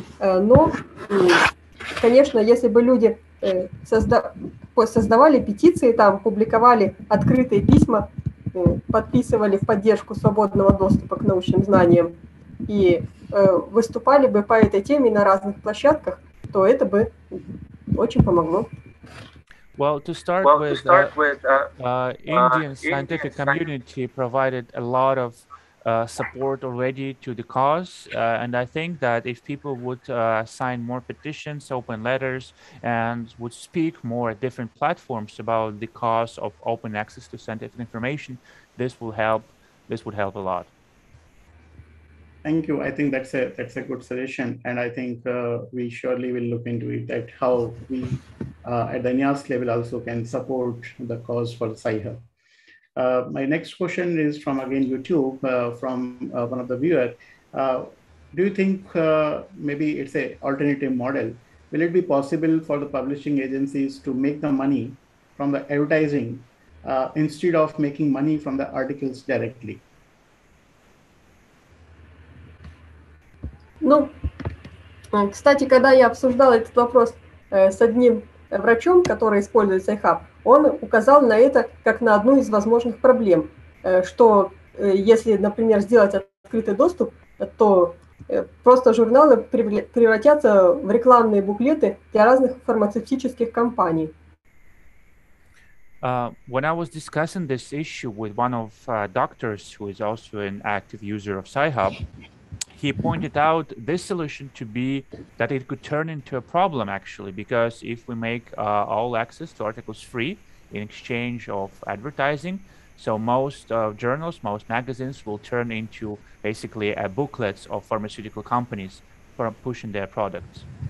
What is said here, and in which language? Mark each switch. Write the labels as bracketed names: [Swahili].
[Russian] Но, конечно, если бы люди создавали петиции, там, публиковали открытые письма, подписывали в поддержку свободного доступа к научным знаниям, и выступали бы по этой теме на разных площадках, то это бы очень помогло. [English] Well, to start Indian scientific community provided a lot of support already to the cause, and I think that if people would sign more petitions, open letters, and would speak more at different platforms about the cause of open access to scientific information, this will help. This would help a lot. Thank you. I think that's a good suggestion, and I think we surely will look into it at how we at the INYAS level also can support the cause for Sci-Hub. My next question is from again YouTube from one of the viewers. Do you think maybe it's an alternative model? Will it be possible for the publishing agencies to make the money from the advertising instead of making money from the articles directly? [Russian] Ну, кстати, когда я обсуждала этот вопрос с одним врачом, который использует Sci-Hub, он указал на это как на одну из возможных проблем, что если, например, сделать открытый доступ, то просто журналы превратятся в рекламные буклеты для разных фармацевтических компаний. [English] When I was discussing this issue with one of doctors who is also an active user of Sci-Hub, he pointed out this solution to be that it could turn into a problem, actually, because if we make all access to articles free in exchange of advertising, so most journals, most magazines will turn into basically booklets of pharmaceutical companies for pushing their products.